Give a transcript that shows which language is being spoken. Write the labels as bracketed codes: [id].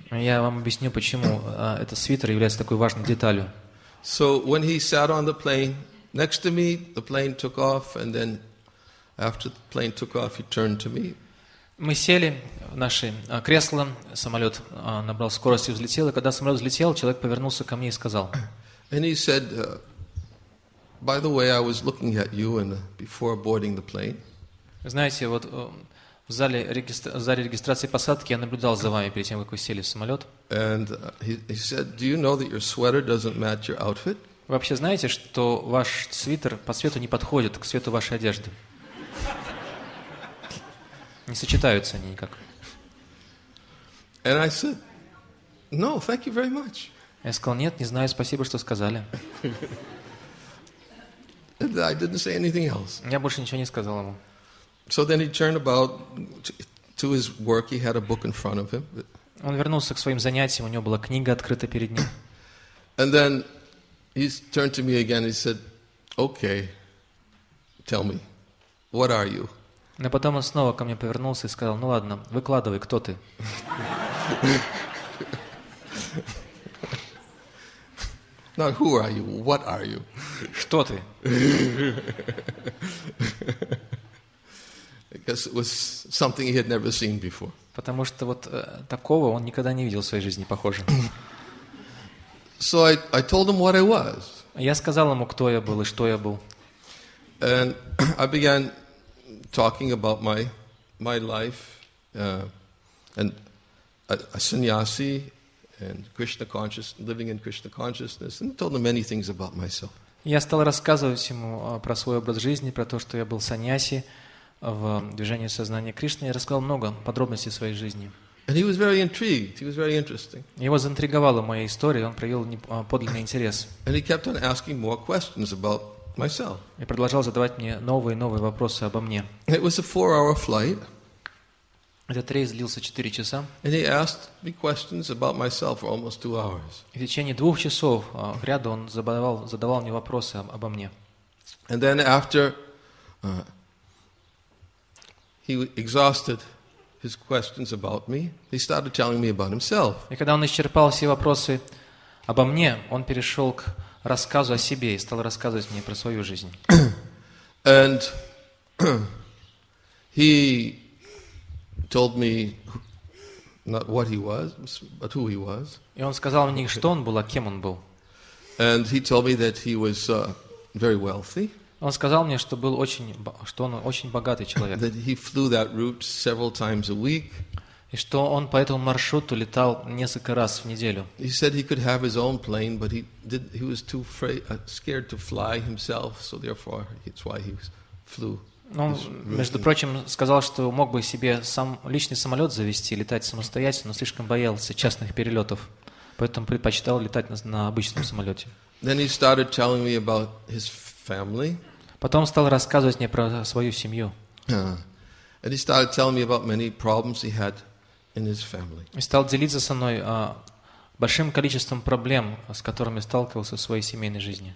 [ru] Я вам объясню, почему этот свитер является такой важной деталью. [en] So when he sat on the plane next to me, the plane took off, and then after the plane took off, he turned to me. [ru] Мы сели в наши кресла, самолет набрал скорость и взлетел. И когда самолет взлетел, человек повернулся ко мне и сказал. [en] And he said, by the way, I was looking at you and before boarding the plane. [ru] Знаете, вот в зале регистрации посадки я наблюдал за вами перед тем, как вы сели в самолет. [en] And he said, do you know that your sweater doesn't match your outfit? [ru] Вы вообще знаете, что ваш свитер по цвету не подходит к цвету вашей одежды? Не сочетаются они никак. [en] And I said, no, thank you very much. [ru] Я сказал, нет, не знаю, спасибо, что сказали. [en] And I didn't say anything else. [ru] Я больше ничего не сказал ему. [en] So then he turned about to his work. He had a book in front of him. [ru] Он вернулся к своим занятиям. У него была книга открыта перед ним. [en] And then he turned to me again. He said, okay, tell me, what are you? [ru] Но потом он снова ко мне повернулся и сказал, ну ладно, выкладывай, кто ты? [en] Not who are you, what are you? [ru] Что ты? [en] I guess it was something he had never seen before. [ru] Потому что вот такого он никогда не видел в своей жизни, похоже. [en] So I told him what I was. [ru] Я сказал ему, кто я был и что я был. [en] And I began talking about my life and a sannyasi and Krishna consciousness, living in Krishna consciousness, and told him many things about myself. [ru] Я стал рассказывать ему про свой образ жизни, про то, что я был саньяси в движении сознания Кришны. Я рассказал много подробностей своей жизни. [en] And he was very intrigued. He was very interesting. [ru] Его заинтриговала моя история. Он проявил подлинный интерес. [en] And he kept on asking more questions about myself. [ru] И продолжал задавать мне новые и новые вопросы обо мне. [en] It was a 4-hour flight. [ru] Этот рейс длился 4 часа. [en] And he asked me questions about myself for almost 2 hours. [ru] И в течение 2 часов в ряду он задавал мне вопросы обо мне. [en] And then after he exhausted his questions about me, he started telling me about himself. [ru] И когда он исчерпал все вопросы обо мне, он перешел к рассказу о себе и стал рассказывать мне про свою жизнь. [en] And he told me not what he was, but who he was. [ru] И он сказал мне, что он был, а кем он был. [en] And he told me that he was very wealthy. [ru] Он сказал мне, что был очень, что он очень богатый человек. [en] That he flew that route several times a week. [ru] И что он по этому маршруту летал несколько раз в неделю. [en] He said he could have his own plane, but he was too scared to fly himself, so therefore it's why he flew. [ru] Ну, между прочим, сказал, что мог бы себе сам личный самолет завести, летать самостоятельно, но слишком боялся частных перелетов, поэтому предпочитал летать на обычном самолете. [en] Then he started telling me about his family. [ru] Потом стал рассказывать мне про свою семью. [en] And he started telling me about many problems he had in his family. [ru] И стал делиться со мной большим количеством проблем, с которыми сталкивался в своей семейной жизни.